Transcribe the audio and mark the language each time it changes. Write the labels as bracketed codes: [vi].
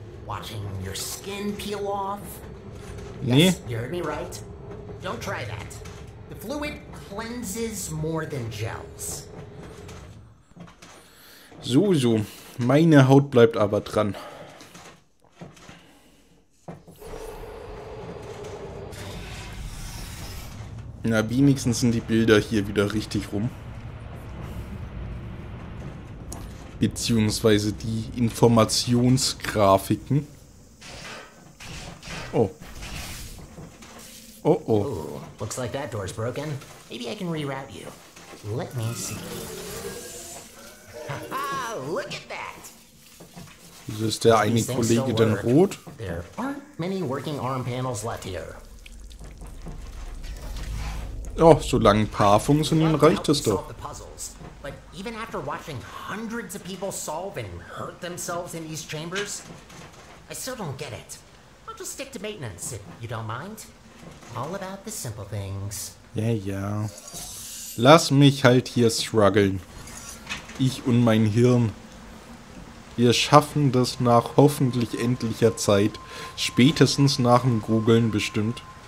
[en] Watching your skin peel off? [de] Nee. [en] Yes, you heard me right. Don't try that. The fluid cleanses more than gels. [de] So. Meine Haut bleibt aber dran. Na, wenigstens sind die Bilder hier wieder richtig rum. Beziehungsweise die Informationsgrafiken. Oh. [en] Looks like that door's broken. Maybe I can reroute you. Let me see. Haha, look at that! [de] Wieso ist der eine Kollege denn rot? [en] There aren't many working arm panels left here. [de] Oh, solange ein paar funktionieren, reicht es doch. [en] But even after watching hundreds of people solve and hurt themselves in these chambers, I still don't get it. I'll just stick to maintenance, if you don't mind. All about the simple things. Yeah. [de] Lass mich halt hier strugglen. Ich und mein Hirn. Wir schaffen das nach hoffentlich endlicher Zeit. Spätestens nach dem Googlen bestimmt.